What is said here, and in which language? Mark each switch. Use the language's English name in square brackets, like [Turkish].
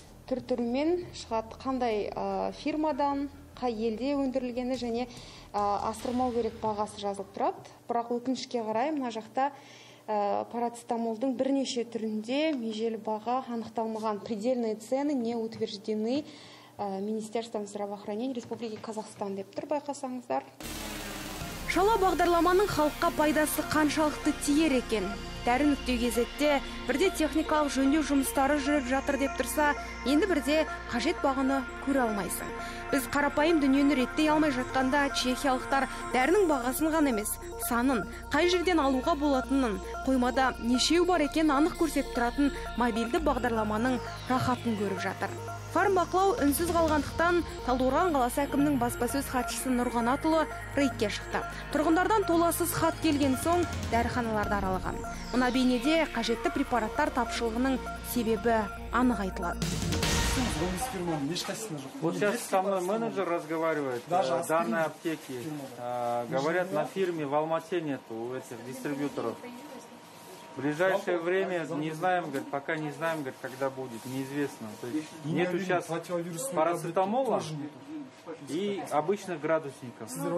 [Kazakh] Түр-түрімен шығады, қандай фирмадан, қай елде өндірілгені және асырмау керек бағасы жазылып тұрады. Бірақ өкінішке қарай, мына жақта парацетамолдың бірнеше түрінде межелі баға анықталмаған. [Russian] Предельные цены не утверждены Министерством здравоохранения Республики Казахстан [Kazakh] деп тұр, байқасаңыздар. Шала бағдарламаның халыққа пайдасы қаншалықты тиер екен. Дәрі нүктеге зетте бірде техникалық жөндеу жұмыстары жүріп жатыр деп тұрса, енді бірде қажет бағыны көре алмайсың. Біз қарапайым дүниені реттей алмай жатқанда чехиялықтар дәрінің бағасын ғана емес, санын, қай жерден алуға болатынын, қоймада нешеу бар екен анық көрсетіп тұратын мобильді бағдарламаның рахатын көріп жатыр. Фармбақылау үнсіз қалғандықтан Талдықорған қаласы әкімінің баспасөз хатшысы Нұрғанатұлы рейдке шықты. Тұрғындардан толассыз хат келген соң дәріханаларды аралаған. Мына бейнеде қажетті препараттар тапшылығының себебі анық айтылады. [Russian] Вот сейчас со мной менеджер разговаривает, даже данной аптеки. Говорят, на фирме в Алмате нету у этих дистрибьюторов. В ближайшее время не знаем, говорит, пока не знаем, говорит, когда будет, неизвестно. То есть нету сейчас парацетамола и обычных градусников.